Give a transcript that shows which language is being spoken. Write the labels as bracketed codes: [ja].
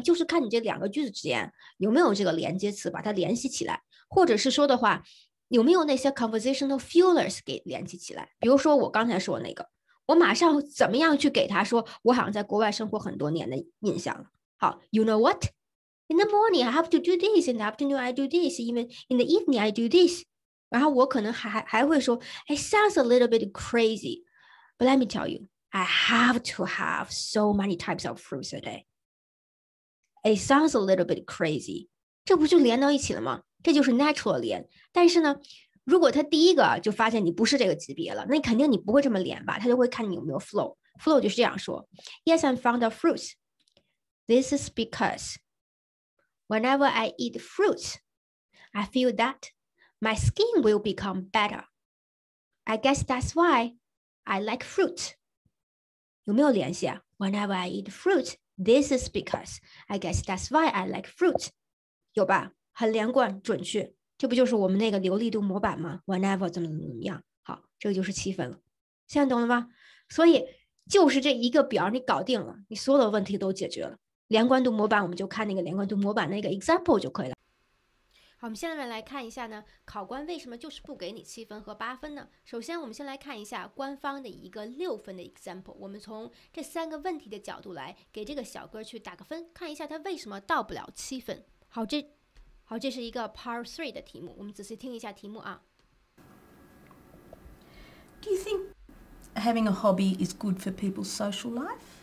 [zh] 就是看你这两个句子之间有没有这个连接词把它联系起来，或者是说的话有没有那些 [en] conversational fillers [zh] 给联系起来。比如说我刚才说那个，我马上怎么样去给他说我好像在国外生活很多年的印象。好， [en] You know what? In the morning I have to do this, in the afternoon I do this, even in the evening I do this. [zh] 然后我可能 还会说 [en] It sounds a little bit crazy, but let me tell you, I have to have so many types of fruits a day. It sounds a little bit crazy. [zh] 这不就连到一起了吗？这就是 natural 连。但是呢，如果他第一个就发现你不是这个级别了，那肯定你不会这么连吧，他就会看你有没有 flow。 [en] flow [zh] 就是这样说， [en] Yes, I'm fond of fruits. This is because whenever I eat fruits, I feel that my skin will become better. I guess that's why I like fruit. [zh] 有没有联系啊？ [en] Whenever I eat fruits, this is because I guess that's why I like fruit. [zh] 有吧，很连贯准确。这不就是我们那个流利度模板吗？ Whenever 怎么怎么样。好，这个就是七分了，现在懂了吗？所以就是这一个表你搞定了，你所有的问题都解决了。连贯度模板我们就看那个连贯度模板那个 example 就可以了。好，我们现在来看一下呢，考官为什么就是不给你七分和八分呢？首先我们先来看一下官方的一个六分的 example， 我们从这三个问题的角度来给这个小哥去打个分，看一下他为什么到不了七分。好，这是一个 part 3的题目，我们仔细听一下题目啊。 [en] Do you think having a hobby is good for people's social life?